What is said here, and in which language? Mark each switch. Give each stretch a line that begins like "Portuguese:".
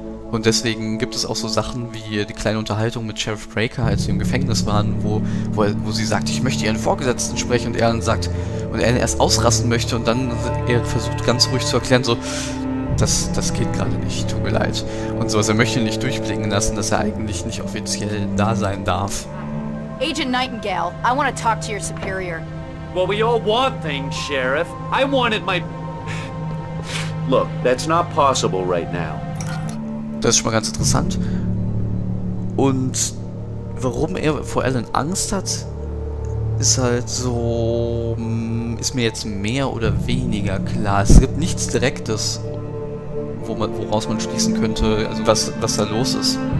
German: Und deswegen gibt es auch so Sachen wie die kleine Unterhaltung mit Sheriff Breaker, als sie im Gefängnis waren, wo sie sagt, ich möchte ihren Vorgesetzten sprechen und er dann sagt, und er erst ausrasten möchte und dann er versucht ganz ruhig zu erklären, so, das geht gerade nicht, tut mir leid. Und so, also er möchte nicht durchblicken lassen, dass er eigentlich nicht offiziell da sein darf.
English: Agent Nightingale, I want to talk to your superior. Well, we all want things, Sheriff. I wanted my... Look, that's not possible right now.
German: Das ist schon mal ganz interessant. Und warum er vor Alan Angst hat, ist halt so, ist mir jetzt mehr oder weniger klar. Es gibt nichts Direktes, woraus man schließen könnte, also was da los ist.